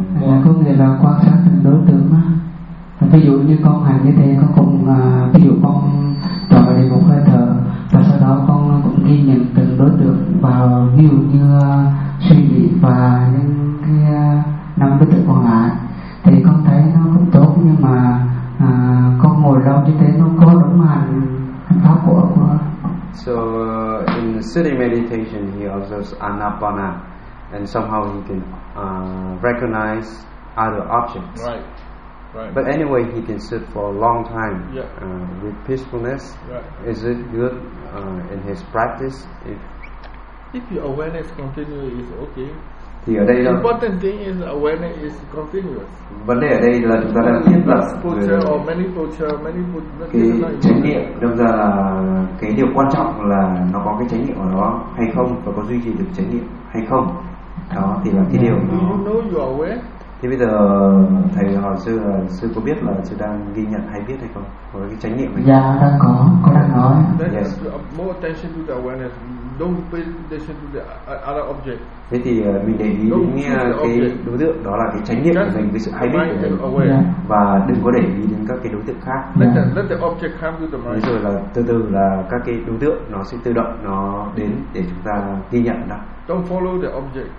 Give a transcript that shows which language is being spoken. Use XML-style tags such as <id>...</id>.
<vi>Dạ, có nghĩa là quan sát đối tượng mà. Ví dụ như con hành như thế, con cũng ví dụ con trở về một hơi thở và sau đó con cũng ghi nhận từng đối tượng vào, ví dụ như suy nghĩ và những cái năm đối tượng còn lại thì con thấy nó cũng tốt, nhưng mà con ngồi lâu như thế nó có đúng hành pháp của con.</vi> <en>So in the sitting meditation he observes anapana and somehow he can recognize other objects. Right. But anyway, he can sit for a long time yeah. With peacefulness. Right. Is it good in his practice? If your awareness continues, it's okay.</en> <vi>Thì ở đây</vi> <en>the important thing is awareness is continuous.</en> <vi>Vấn đề ở đây là chúng ta đang thiết lập</vi> <en>many culture, many culture,</en> <vi>cái chánh niệm. Đồng thời là cái điều quan trọng là nó có cái chánh niệm ở đó hay không và có duy trì được chánh niệm hay không. Đó thì là cái điều.</vi> <en>Do you know you are aware?</en> <vi>Thì bây giờ thầy hỏi sư có biết là sư đang ghi nhận hay biết hay không, có cái chánh niệm hay không? Dạ, đang có, con đang nói.</vi> <en>Yes. More attention to the awareness, don't pay attention to the other object.</en> <vi>Thế thì mình để ý đến cái đối tượng, đó là cái chánh niệm của mình với sự hay biết của mình. Và đừng có để ý đến các cái đối tượng khác.</vi> <en>Let the object come to the mind.</en> <vi>Thế rồi là từ từ là các cái đối tượng nó sẽ tự động nó đến để chúng ta ghi nhận đó.</vi> <en>Don't follow the object.</en>